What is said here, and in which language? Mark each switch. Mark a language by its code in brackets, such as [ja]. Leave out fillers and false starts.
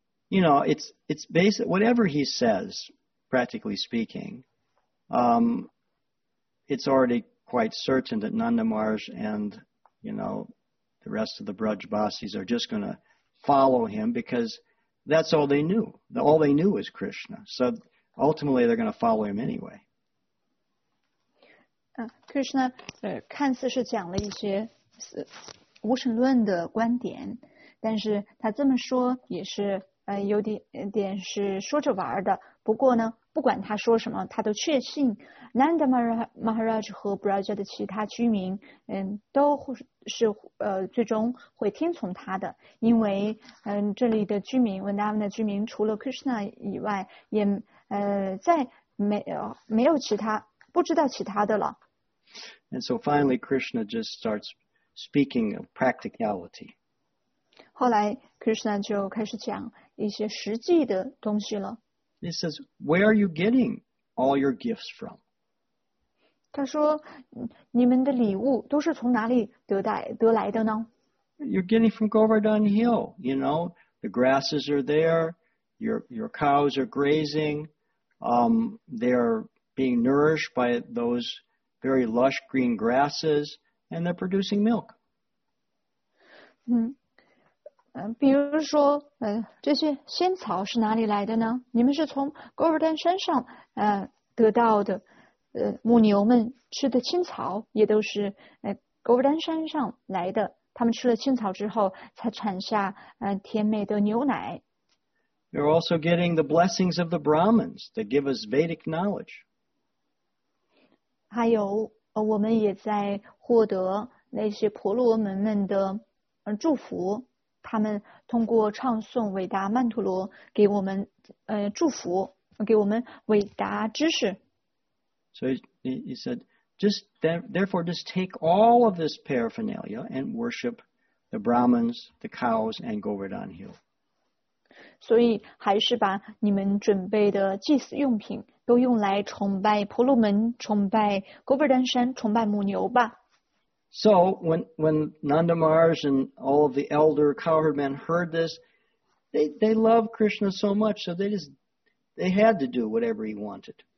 [en] you know, it's basic, whatever he says, practically speaking, it's already quite certain that Nanda Maharaj and, you know, the rest of the Braj Basis are just going to follow him because that's all they knew. All they knew is Krishna. So ultimately, they're going to follow him anyway. [zh] Krishna, 看似是讲了一些无神论的观点，但是他这么说也是有点是说着玩的。不过呢，不管他说什么，他都确信 Nanda Maharaj 和 Braja 的其他居民，都是最终会听从他的，因为这里的居民 Vrindavan 的居民除了 Krishna 以外，也再没有其他，不知道其他的了。 [en] And so finally, Krishna just starts speaking of practicality. [zh] 后来 Krishna 就开始讲一些实际的东西了。 [en] He says, "Where are you getting all your gifts from?" [zh] 他说，你们的礼物都是从哪里得来的呢？ [en] You're getting from Govardhan Hill. You know, the grasses are there. Your cows are grazing. They're being nourished by those very lush green grasses, and they're producing milk. [zh] 比如说，这些仙草是哪里来的呢？你们是从戈尔丹山上得到的，母牛们吃的青草也都是戈尔丹山上来的。他们吃了青草之后，才产下甜美的牛奶。 [en] You're also getting the blessings of the Brahmins that give us Vedic knowledge. [zh] 还有，我们也在获得那些婆罗门们的祝福。他们通过唱诵伟达曼陀罗给我们祝福，给我们伟达知识。 [en] So he said, just therefore, just take all of this paraphernalia and worship the Brahmins, the cows, and Govardhan Hill. [zh] 所以还是把你们准备的祭祀用品都用来崇拜婆罗门，崇拜 Govardhan 山，崇拜母牛吧。 [en] So when Nanda Maharaj and all of the elder cowherd men heard this, they loved Krishna so much, so they had to do whatever he wanted.